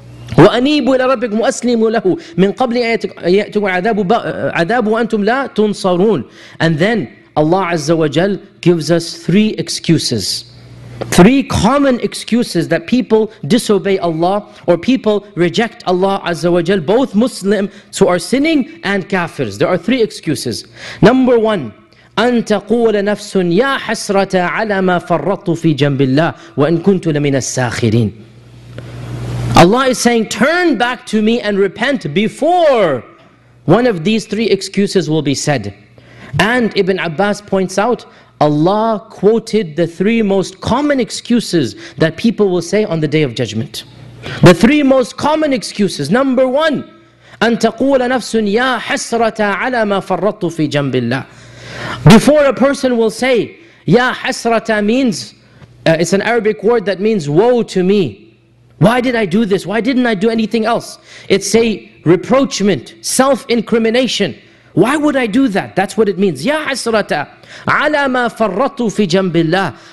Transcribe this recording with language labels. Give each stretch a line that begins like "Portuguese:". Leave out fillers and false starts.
Arabic: وَأَنِيبُوا إِلَى رَبِّكُمْ وَأَسْلِمُوا لَهُ مِنْ قَبْلِ أَيَأْتُكُمْ عَذَابُ وَأَنْتُمْ لَا تُنصَرُونَ.
English: And then Allah Azza wa Jal gives us three excuses. Three common excuses that people disobey Allah or people reject Allah Azza wa Jal, both Muslims who are sinning and kafirs. There are three excuses. Number one,
Arabic: أَن تَقُولَ نَفْسٌ يَا حَسْرَةَ عَلَى مَا فَرَّطُ فِي جَنْبِ اللَّهِ وَإِن كُنْتُ لَمِنَ السَّاخِرِينَ.
English: Allah is saying, turn back to me and repent before one of these three excuses will be said. And Ibn Abbas points out, Allah quoted the three most common excuses that people will say on the Day of Judgment. The three most common excuses. Number one,
Arabic: أن تقول نفس يا حسرة على ما فرطت في جنب الله.
English: Before a person will say,
Arabic: يا حسرة
English: means, it's an Arabic word that means woe to me. Why did I do this? Why didn't I do anything else? It's a reproachment, self-incrimination. Why would I do that? That's what it means.
Arabic: Ya hasrata ala ma farratu fi jambillah.